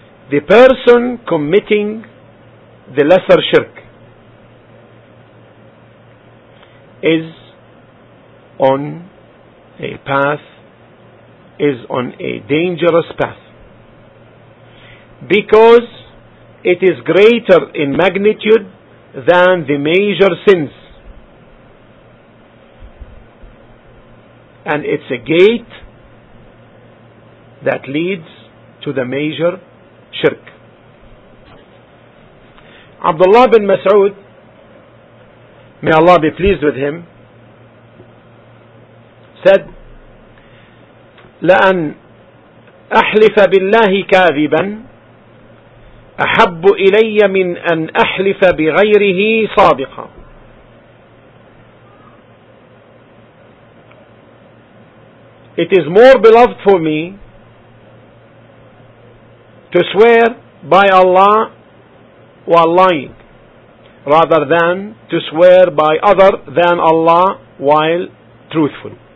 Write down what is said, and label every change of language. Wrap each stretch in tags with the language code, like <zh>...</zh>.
<en>The person committing the lesser shirk is on a path, is on a dangerous path, because it is greater in magnitude than the major sins, and it's a gate that leads to the major shirk. Abdullah bin Mas'ud, may Allah be pleased with him, said,</en> <ar>لأن أحلف بالله كاذبا أحب إلي من أن أحلف بغيره صادقا.</ar> <en>It is more beloved for me to swear by Allah while lying, rather than to swear by other than Allah while truthful.</en>